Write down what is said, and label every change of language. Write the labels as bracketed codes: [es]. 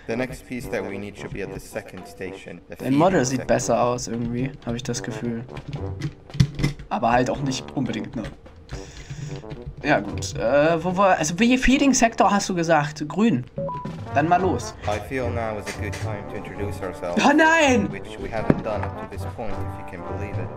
[en] The next piece that we need should be at the second station. [de] Dein Model sieht besser aus irgendwie, habe ich das Gefühl. Aber halt auch nicht unbedingt, ne? Ja gut, welche Feeding Sektor hast du gesagt? Grün. Dann mal los. [en] I feel now is a good time to introduce ourselves. [de] Oh nein! [en] Which we haven't done up to this point, if you can believe it.